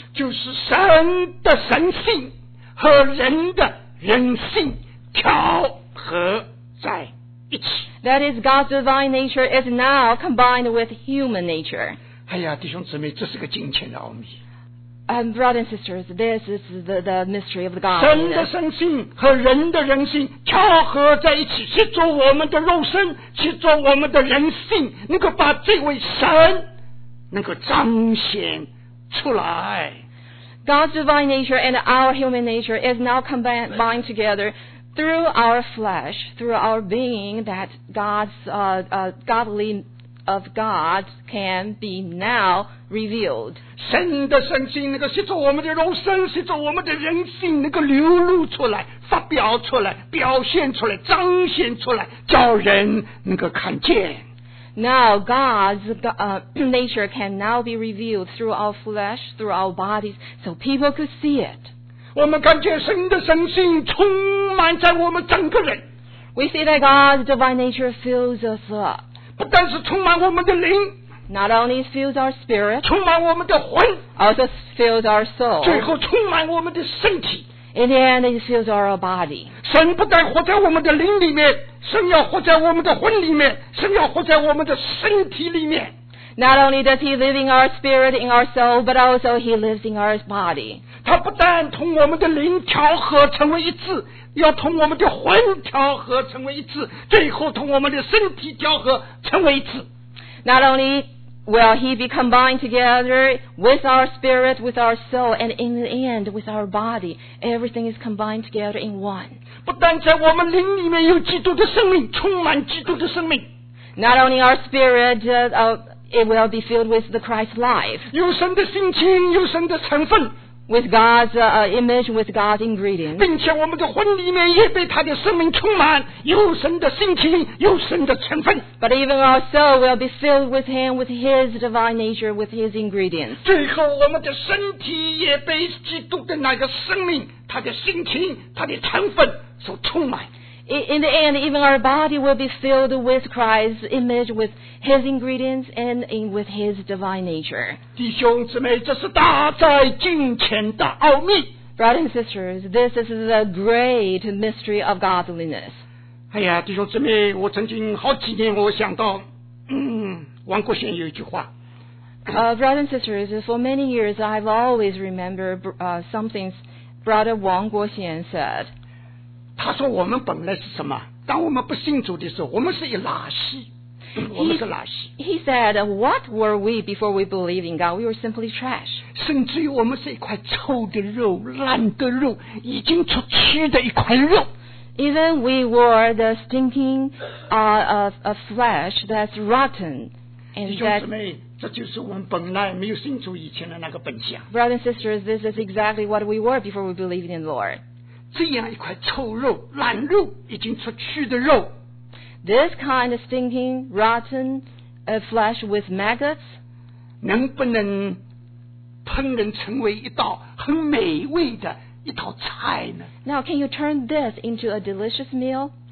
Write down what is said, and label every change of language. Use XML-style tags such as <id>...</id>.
<zh>就是神的神性和人的人性调和在一起。</zh> <en>That is, God's divine nature is now combined with human nature.</en> <zh>哎呀，弟兄姊妹，这是个金钱的奥秘。</zh> <en>Brothers and sisters, this is the mystery of the God.</en> <zh>神的神性和人的人性调和在一起，去做我们的肉身，去做我们的人性，能够把这位神能够彰显出来。</zh> <en>God's divine nature and our human nature is now combined together through our flesh, through our being, that God's godly of God can be now revealed.</en> <zh>神的神性能够吸收我们的肉身，吸收我们的人性，能够流露出来，发表出来，表现出来，彰显出来，叫人能够看见。</zh> <en>Now God's nature can now be revealed through our flesh, through our bodies, so people could see it.</en> <zh>我们看见神的神性充满在我们整个人。</zh> <en>We see that God's divine nature fills us up.</en> <zh>不但是充满我们的灵</zh> <en>，not only fills our spirit，</en> <zh>充满我们的魂</zh> <en>，also fills our soul，</en> <zh>最后充满我们的身体</zh> <en>，in the end it fills our body。</en> <zh>神不但活在我们的灵里面，神要活在我们的魂里面，神要活在我们的身体里面。</zh> <en>Not only does he live in our spirit, in our soul, but also he lives in our body.</en> <zh>他不但同我们的灵调和成为一致，要同我们的魂调和成为一致，最后同我们的身体调和成为一致。</zh> <en>Not only will he be combined together with our spirit, with our soul, and in the end with our body, everything is combined together in one.</en> <zh>不但在我们灵里面有基督的生命，充满基督的生命。</zh> <en>Not only our spirit, it will be filled with the Christ life.</en> <zh>有神的性情，有神的成分。</zh> <en>With God's image, with God's ingredients.</en> <zh>并且我们的魂里面也被他的生命充满，有神的性情，有神的成分。</zh> <en>But even our soul will be filled with Him, with His divine nature, with His ingredients.</en> <zh>最后，我们的身体也被基督的那个生命、他的性情、他的成分所充满。</zh> <en>In the end, even our body will be filled with Christ's image, with His ingredients, and with His divine nature.</en> <zh>弟兄姊妹，这是大灾金钱的奥秘。</zh> <en>Brothers and sisters, this is the great mystery of godliness.</en> <zh>哎呀，弟兄姊妹，我曾经好几年，我想到，王国贤有一句话。</zh> <en>Brothers and sisters, for many years, I've always remembered something Brother Wang Guoxian said.</en> <zh>他说我们本来是什么，当我们不信主的时候，我们是一垃圾，我们是垃圾。</zh> <en>He said, what were we before we believed in God? We were simply trash.</en> <zh>甚至于我们是一块臭的肉，烂的肉，已经出蛆的一块肉。</zh> <en>Even we were the stinking of flesh that's rotten.</en> <zh>弟兄姊妹，这就是我们本来没有信主以前的那个本相。</zh> <en>Brothers and sisters, this is exactly what we were before we believed in the Lord.</en> <zh>这样一块臭肉、烂肉，已经出蛆的肉。</zh> <en>This kind of stinking, rotten, flesh with maggots.</en> <zh>能不能烹饪成为一道很美味的一道菜呢</zh> <en>？Now, can you turn this into a delicious meal?</en>